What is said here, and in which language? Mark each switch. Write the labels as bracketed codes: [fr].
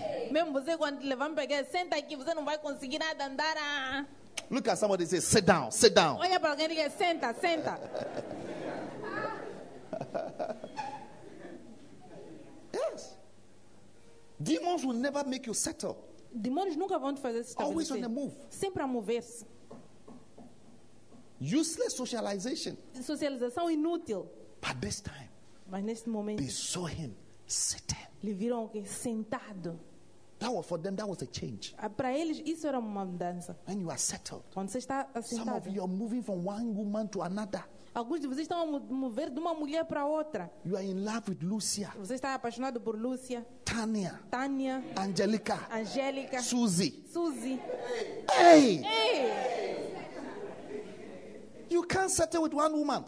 [pt] Mesmo você, quando levanta para a senta aqui, você não vai conseguir nada andar. [en] Look at somebody and say, sit down, sit down. [pt] Olha para alguém e diga, senta, senta. [en] Yes. Demons will never make you settle. [pt] Demônios nunca vão te fazer se estabelecer. [en] Always on the move. [pt] Sempre a mover-se. [en] Useless socialization. [pt] Socialização inútil. [en] But this time, [pt] mas neste momento, [en] they saw him sitting. [pt] Lhe viram que sentado. [en] That was for them. That was a change. [pt] Para eles isso era uma mudança. [en] When you are settled, [pt] quando você está assentado. [en] Some of you are moving from one woman to another. [pt] Alguns de vocês estão a mover de uma mulher para outra. [en] You are in love with Lucia. [pt] Você está apaixonado por Lucia. Tania. Tania. Angelica. Angelica. Suzy. Suzy. Hey. Hey. [en] You can't settle with one woman.